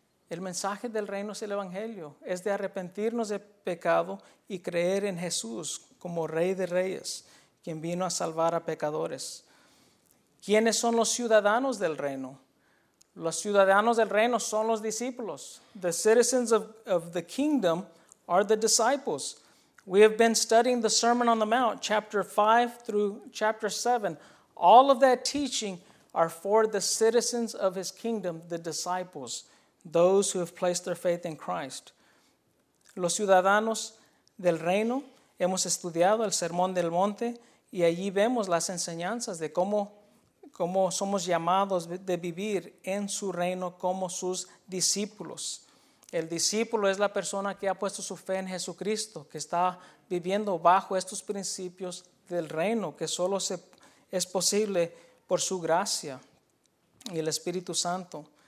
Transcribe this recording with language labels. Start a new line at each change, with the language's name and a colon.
Spanish: El mensaje del reino es el evangelio. Es de arrepentirnos de pecado y creer en Jesús como Rey de Reyes, quien vino a salvar a pecadores. ¿Quiénes son los ciudadanos del reino? Los ciudadanos del reino son los discípulos.
English: The citizens of the kingdom are the disciples. We have been studying the Sermon on the Mount, chapter 5 through chapter 7. All of that teaching are for the citizens of his kingdom, the disciples, those who have placed their faith in Christ.
Spanish: Los ciudadanos del reino, hemos estudiado el Sermón del Monte, y allí vemos las enseñanzas de cómo somos llamados de vivir en su reino como sus discípulos. El discípulo es la persona que ha puesto su fe en Jesucristo, que está viviendo bajo estos principios del reino, que solo es posible por su gracia y el Espíritu Santo.